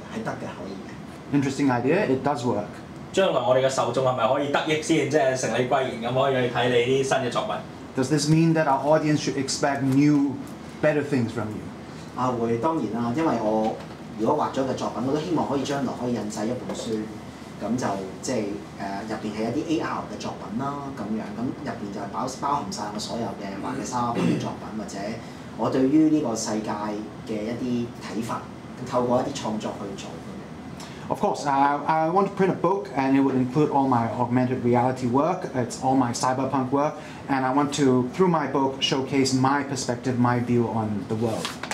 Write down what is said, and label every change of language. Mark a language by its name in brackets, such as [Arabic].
[Chinese] 很有趣的想法,這個其實是可以這樣做的,是可以的。 [English] Interesting idea, it does work. [Chinese] 將來我們的受眾是否可以得益,成為貴賢,可以去看你的新的作品? [English] Does this mean that our audience should expect new, better things from you? [Chinese] 會,當然,因為我如果畫了一個作品,我都希望可以將來可以印製一本書。裡面是一些AR的作品,裡面包含了所有的畫的沙盤作品,或者我對於這個世界的一些看法,透過一些創作去做。 [English] Of course, I want to print a book and it would include all my augmented reality work, it's all my cyberpunk work, and I want to, through my book, showcase my perspective, my view on the world.